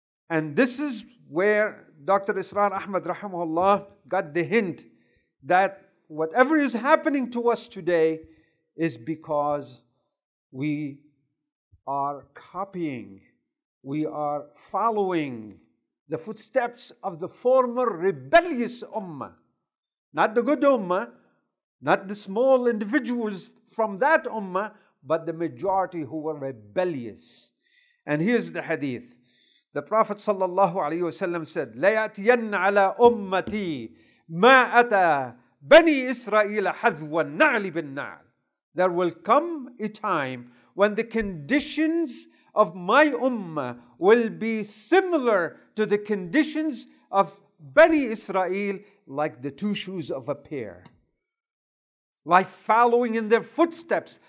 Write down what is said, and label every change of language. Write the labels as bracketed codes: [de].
[en] And this is where Dr. Israr Ahmad rahimahullah got the hint that whatever is happening to us today is because we are copying, we are following the footsteps of the former rebellious ummah. Not the good ummah, not the small individuals from that ummah, but the majority who were rebellious. And here's the hadith. The Prophet sallallahu alayhi wa sallam said, [ar] لَيَأْتِيَنَّ عَلَىٰ أُمَّتِي مَا أَتَى بَنِي إِسْرَائِيلَ حَذْوَ النَّعْلِ بِالنَّعْلِ. [en] There will come a time when the conditions of my ummah will be similar to the conditions of Bani Israel, like the two shoes of a pair, like following in their footsteps.